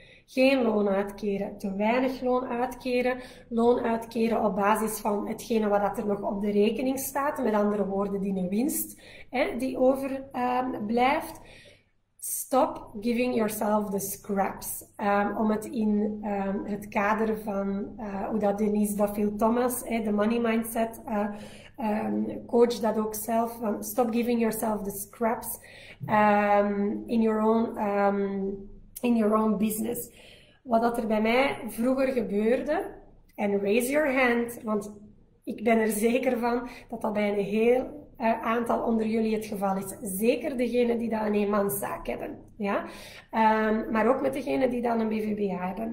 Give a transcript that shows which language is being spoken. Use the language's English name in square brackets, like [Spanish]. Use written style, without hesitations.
[Dutch] geen loon uitkeren, te weinig loon uitkeren op basis van hetgene wat er nog op de rekening staat, met andere woorden, die winst, hè, die overblijft. [English] Stop giving yourself the scraps. [Dutch] Om het in het kader van hoe dat Denise Duffield Thomas, de money mindset coach, dat ook zelf. [English] Stop giving yourself the scraps in your own business. [Dutch] Wat dat er bij mij vroeger gebeurde, en [English] raise your hand, [Dutch] want ik ben er zeker van dat dat bij een heel aantal onder jullie het geval is. Zeker degenen die dan een eenmanszaak hebben. Ja? Maar ook met degenen die dan een BVBA hebben.